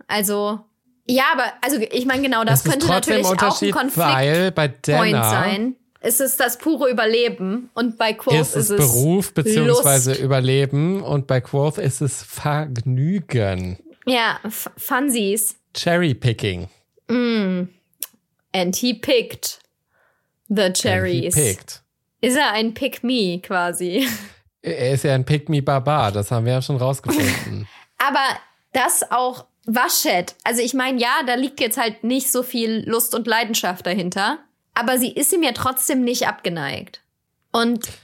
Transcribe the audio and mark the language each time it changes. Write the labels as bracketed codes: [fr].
[de] Also, ja, aber also ich meine, genau das könnte natürlich auch ein Konflikt-Point sein. Es ist das pure Überleben und bei Quoth ist es Beruf bzw. Überleben und bei Quoth ist es Vergnügen. Ja, Funsies. Cherry picking. Mm. [en] And he picked the cherries. And he picked. [de] Ist er ein pick me quasi? Er ist ja ein pick me Barbar, das haben wir ja schon rausgefunden. Aber das auch Vashet. Also ich meine, ja, da liegt jetzt halt nicht so viel Lust und Leidenschaft dahinter. Aber sie ist ihm ja trotzdem nicht abgeneigt. Und